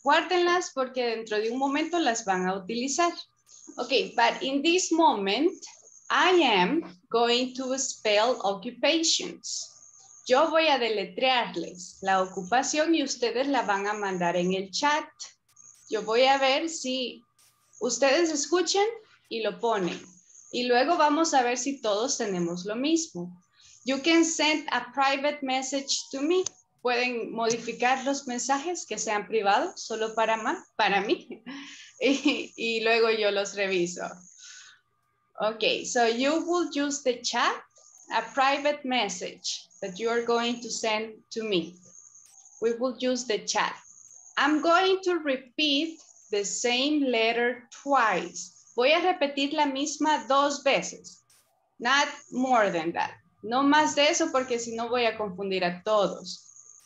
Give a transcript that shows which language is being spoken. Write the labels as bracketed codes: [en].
[es] Guárdenlas porque dentro de un momento las van a utilizar. [en] Okay, but in this moment, I am going to spell occupations. [es] Yo voy a deletrearles la ocupación y ustedes la van a mandar en el chat. Yo voy a ver si ustedes escuchan y lo ponen. Y luego vamos a ver si todos tenemos lo mismo. [en] You can send a private message to me. [es] Pueden modificar los mensajes que sean privados solo para mí. Y luego yo los reviso. [en] Okay, so you will use the chat, a private message that you are going to send to me. We will use the chat. I'm going to repeat the same letter twice. [es] Voy a repetir la misma dos veces. [en] Not more than that. [es] No más de eso porque si no voy a confundir a todos.